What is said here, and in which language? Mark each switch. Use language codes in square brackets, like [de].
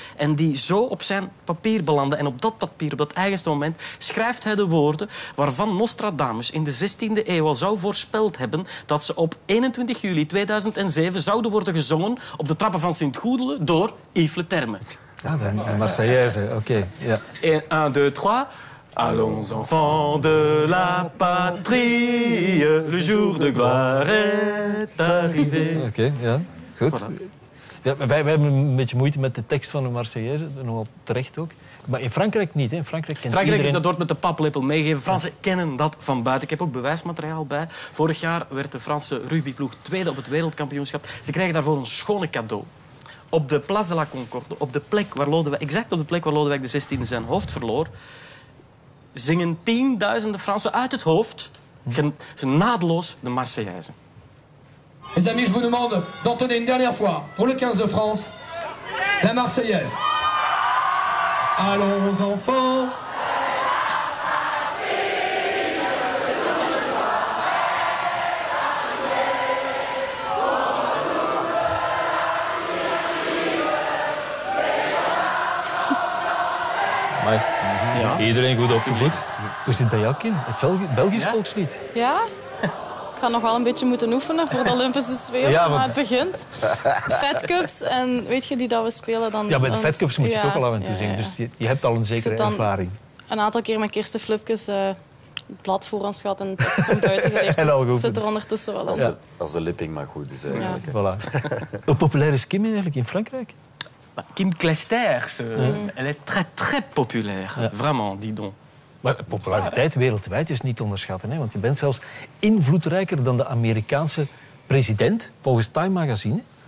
[nl] En die zo op zijn papier belanden. En op dat papier, op dat eigenste moment, schrijft hij de woorden waarvan Nostradamus in de 16e eeuw al zou voorspeld hebben dat ze op 21 juli 2007 zouden worden gezongen op de trappen van Sint-Goedelen door Yves Le Terme. Ja, de Marseillaise, oké. Okay. Ja. 1, 2, 3... [fr] Allons, enfants de la patrie, le jour de gloire est arrivé. [nl] Oké, okay, ja, goed. Voilà. Ja, wij hebben een beetje moeite met de tekst van de Marseillaise, nogal terecht ook. Maar in Frankrijk niet, hè? Frankrijk iedereen... heeft dat woord met de paplepel meegegeven. Fransen kennen dat van buiten. Ik heb ook bewijsmateriaal bij. Vorig jaar werd de Franse rugbyploeg tweede op het wereldkampioenschap. Ze krijgen daarvoor een schone cadeau. Op de Place de la Concorde, op de plek waar Lodewijk de 16e zijn hoofd verloor, zingen tienduizenden Fransen uit het hoofd naadloos de Marseillaise. [fr] Mes amis, je vous demande d'entonner une dernière fois pour le 15 de France la Marseillaise. Allons enfants. [nl] Ja. Iedereen goed opgevoed. Hoe zit dat jouw kind? Het Belgisch volkslied? Ja. Ik ga nog wel een beetje moeten oefenen voor de Olympische Spelen. Ja, maar het begint. Fat Cups en weet je die dat we spelen dan... Ja, bij de Fat Cups moet je het ook al af en toe zingen. Dus je hebt al een zekere ervaring. Een aantal keer met Kirsten Flupkes het blad voor ons gehad en het tekst van buiten geleerd. Dus zit er ondertussen wel op. Ja. Als de lipping maar goed is eigenlijk. Ja. Voilà. Hoe populair is Kim eigenlijk in Frankrijk? [fr] Kim Clijsters, elle est très très populaire, vraiment, dis donc. [nl] Maar de populariteit wereldwijd is niet onderschatten, hè? Want je bent zelfs invloedrijker dan de Amerikaanse president, volgens Time Magazine.